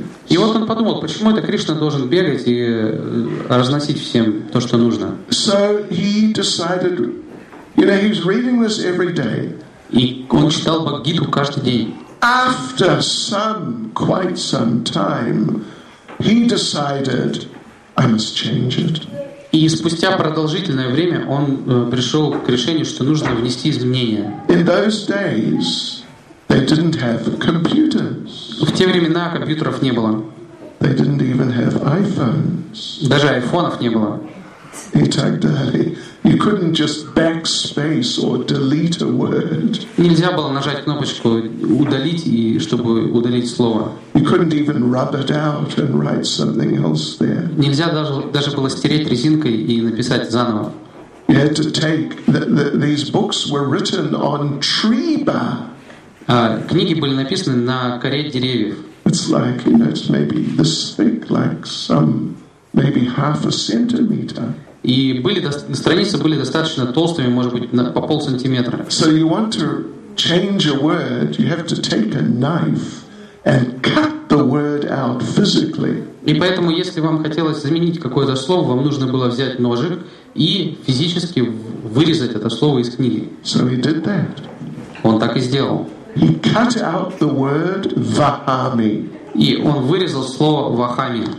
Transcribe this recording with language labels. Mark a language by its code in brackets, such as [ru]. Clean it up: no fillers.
[ru] И вот он подумал, почему это Кришна должен бегать и разносить всем то, что нужно. [en] So he decided, you know, he's reading this every day. [ru] И он читал Бхагавад-гиту каждый день. [en] After quite some time, he decided, I must change it. [ru] И спустя продолжительное время он пришел к решению, что нужно внести изменения. [en] In those days, they didn't have computers. [ru] В те времена компьютеров не было. [en] They didn't even have iPhones. [ru] Даже айфонов не было. И так далее. [en] You couldn't just backspace or delete a word. [ru] Нельзя было нажать кнопочку удалить и чтобы удалить слово. [en] You couldn't even rub it out and write something else there. [ru] Нельзя даже было стереть резинкой и написать заново. [en] You had to take these books were written on tree bark. [ru] Книги были написаны на коре деревьев. [en] It's like, you know, it's maybe this thick, like some maybe half a centimeter. [ru] И страницы были достаточно толстыми, может быть, по полсантиметра. [en] So you want to change a word, you have to take a knife and cut the word out physically. [ru] И поэтому, если вам хотелось заменить какое-то слово, вам нужно было взять ножик и физически вырезать это слово из книги. [en] So he did that. [ru] Он так и сделал. [en] He cut out the word Vahami. [ru] И он вырезал слово Вахами.